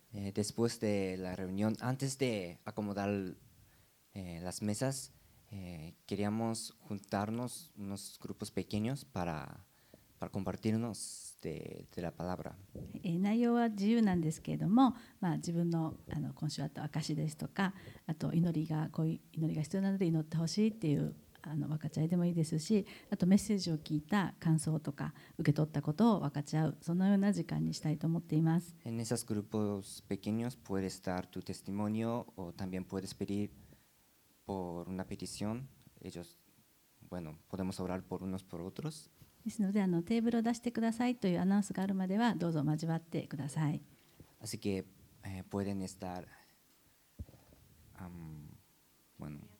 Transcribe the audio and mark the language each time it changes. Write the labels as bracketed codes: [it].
[es] Después de la reunión, antes de acomodar, las mesas, queríamos juntarnos unos grupos pequeños para compartirnos de la palabra. [ja] 内容は自由なんですけれども、まあ、自分の、今週あった証しですとか、あと祈りが、こういう祈りが必要なので祈ってほしいっていう分かち合いでもいいですし、あとメッセージを聞いた感想とか受け取ったことを分かち合う、そのような時間にしたいと思っています。 [es] En esos grupos pequeños puedes dar tu testimonio o también puedes pedir por una petición. Ellos, bueno, podemos orar por unos por otros. [ja] ですので、テーブルを出してくださいというアナウンスがあるまではどうぞ交わってください。 [es] Así que、pueden estar、bueno.